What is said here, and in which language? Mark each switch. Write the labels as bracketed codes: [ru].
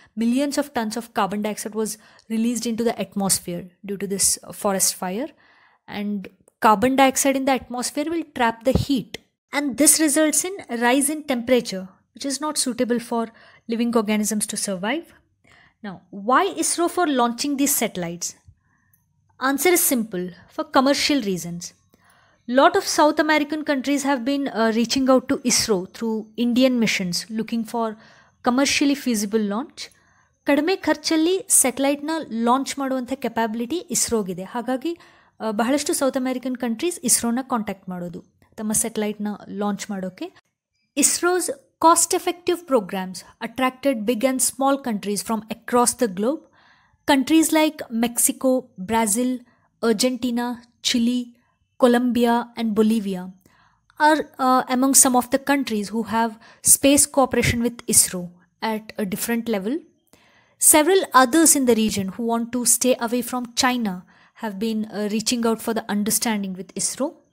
[en] Millions of tons of carbon dioxide was released into the atmosphere due to this forest fire, and carbon dioxide in the atmosphere will trap the heat, and this results in a rise in temperature, which is not suitable for living organisms to survive. Now, why ISRO for launching these satellites? Answer is simple: for commercial reasons. Lot of South American countries have been reaching out to ISRO through Indian missions looking for commercially feasible launch. [kn] ಕಡಿಮೆ ಖರ್ಚಲ್ಲಿ ಸೆಟಲೈಟ್ನ launch ಮಾಡುವಂಥ capability ಇಸ್ರೋಗಿದೆ. ಹಾಗಾಗಿ ಬಹಳಷ್ಟು south American countries ಇಸ್ರೋನ contact ಮಾಡೋದು ತಮ್ಮ ಸೆಟಲೈಟ್ನ launch ಮಾಡೋಕ್ಕೆ. [en] ISRO's cost effective programs attracted big and small countries from across the globe. Countries like Mexico, Brazil, Argentina, Chile, Colombia and Bolivia are among some of the countries who have space cooperation with ISRO at a different level. Several others in the region who want to stay away from China have been reaching out for the understanding with ISRO.